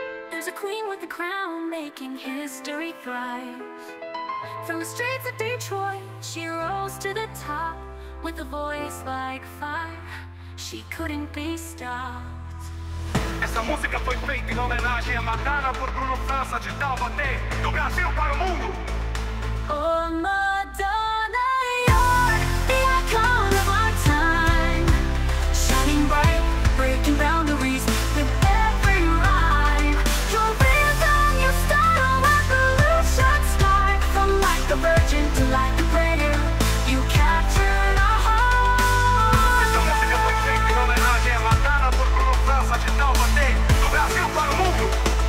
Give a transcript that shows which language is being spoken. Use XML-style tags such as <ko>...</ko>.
<en>There's a queen with a crown making history thrive. From the streets of Detroit, she rose to the top with a voice like fire. She couldn't be stopped.</en> <pt>Essa música foi feita em homenagem a Madonna por Bruno França de Taubaté, do Brasil para o mundo.</pt> <en>Oh, Madonna, you're the icon of our time. Shining bright, breaking boundaries with every rhyme. Your rhythm, your style, revolution start. From like a virgin to like a prayer, you captured our heart.</en> <pt>Essa música foi feita em homenagem a Madonna por Bruno França de Taubaté, do Brasil para o mundo.</pt>